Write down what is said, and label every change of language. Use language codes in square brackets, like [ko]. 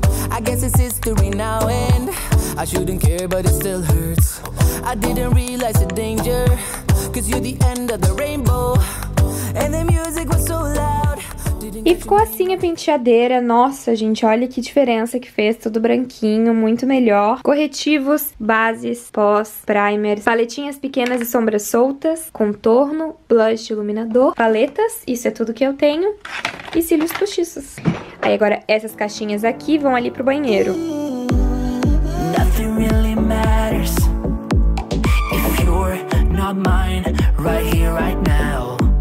[en] I guess it's history now and I shouldn't care but it still hurts. I didn't realize the danger, 'cause you're the end of the rainbow. And the music was so loud. [pt] E ficou assim a penteadeira. Nossa, gente, olha que diferença que fez. Tudo branquinho, muito melhor. Corretivos, bases, pós, primers, paletinhas pequenas e sombras soltas, contorno, blush, iluminador, paletas, isso é tudo que eu tenho, e cílios postiços. Aí agora essas caixinhas aqui vão ali pro banheiro. [en] Nothing really matters if you're not mine right here, right now.